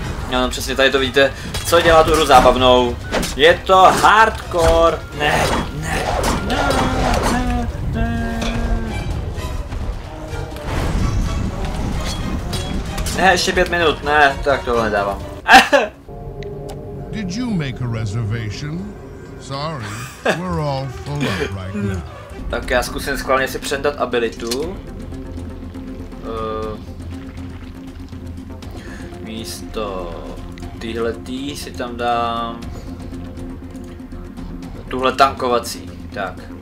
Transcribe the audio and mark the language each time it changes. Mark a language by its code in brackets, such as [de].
[cs] No, no přesně tady to vidíte, co dělá tu hru zábavnou. Je to hardcore. Ne, ne, ne, ne, ne. Ne, ještě 5 minut, ne, tak tohle nedávám. [en] Did you make a reservation? Sorry, we're all full up right now. [cs] Tak já zkusím schválně si předat abilitu. Místo týhletý si tam dám tuhle tankovací, tak.